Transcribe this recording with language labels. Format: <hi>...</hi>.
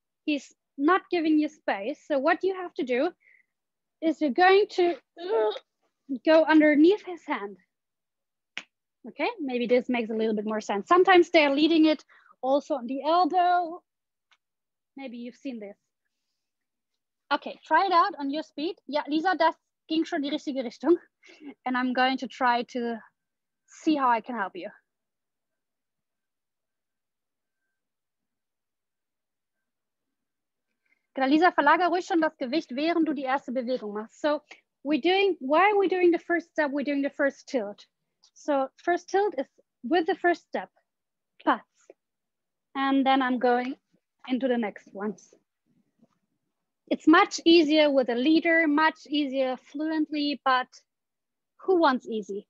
<en>He's not giving you space. So what you have to do is you're going to... go underneath his hand. Okay, maybe this makes a little bit more sense. Sometimes they're leading it also on the elbow. Maybe you've seen this. Okay, try it out on your speed.</en> <de>Yeah, Lisa, das ging schon die richtige Richtung.</de> <en>And I'm going to try to see how I can help you.</en> <de>Genau, Lisa, verlager ruhig schon das Gewicht, während du die erste Bewegung machst.</de> <en>So, why are we doing the first step? We're doing the first tilt. So first tilt is with the first step, plus. And then I'm going into the next ones. It's much easier with a leader, much easier fluently, but who wants easy?</en>